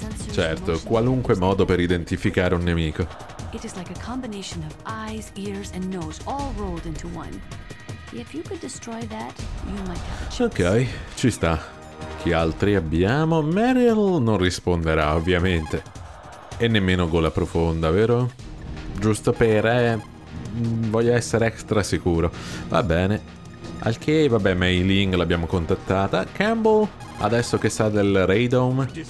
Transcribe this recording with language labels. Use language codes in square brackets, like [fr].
[it] Certo, qualunque modo per identificare un nemico. [en] It is like a combination of eyes, ears and nose all rolled into one. If you could destroy that, you might have a chance. [it] Ok, ci sta. Chi altri abbiamo? Meryl non risponderà, ovviamente. E nemmeno gola profonda, vero? Giusto per, voglio essere extra sicuro. Va bene. Al che, vabbè, Mei Ling l'abbiamo contattata. Campbell, adesso che sa del Raidome.